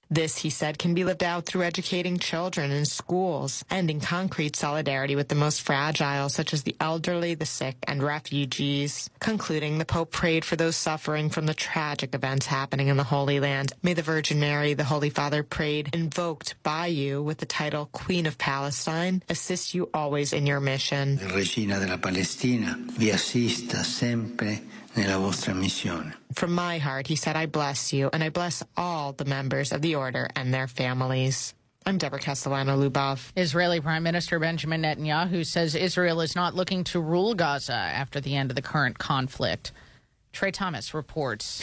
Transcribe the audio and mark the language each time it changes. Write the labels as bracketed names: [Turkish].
[English] This, he said, can be lived out through educating children in schools and in concrete solidarity with the most fragile, such as the elderly, the sick, and refugees. Concluding, the Pope prayed for those suffering from the tragic events happening in the Holy Land. May the Virgin Mary, the Holy Father prayed, invoked by you with the title Queen of Palestine, assist you always in your mission. [Italian] Regina della Palestina, vi assista sempre nella vostra missione. [English] From my heart, he said, I bless you, and I bless all the members of the Order and their families. I'm Deborah Castellano-Luboff. Israeli Prime Minister Benjamin Netanyahu says Israel is not looking to rule Gaza after the end of the current conflict. Trey Thomas reports.